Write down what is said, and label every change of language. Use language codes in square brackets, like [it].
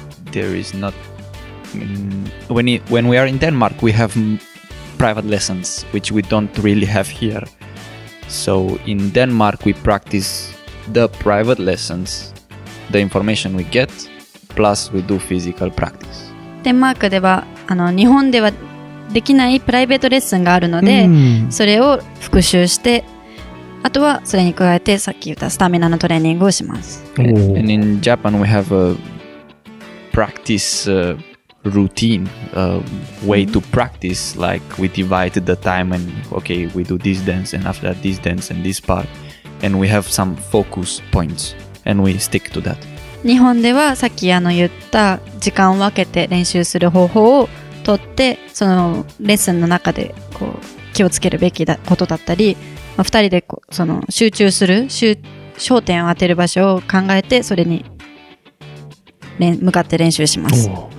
[en] There is not when we are in Denmark we have private lessons which we don't really have here, so in Denmark we practice the private lessons, the information we getplus we do physical practice. [ja] デンマークでは日本ではできないプライベートレッスンがあるので、うん、それを復習して、あとはそれに加えてさっき言ったスタミナのトレーニングをします。 [en] And in Japan we have a practice routine, a way to practice, like we divide the time and okay we do this dance and after that this dance and this part, and we have some focus points and we stick to that. [ja] 日本ではさっき言った時間を分けて練習する方法をとって、そのレッスンの中でこう気をつけるべきことだったり、まあ、2人でこうその集中する焦点を当てる場所を考えて、それに向かって練習します。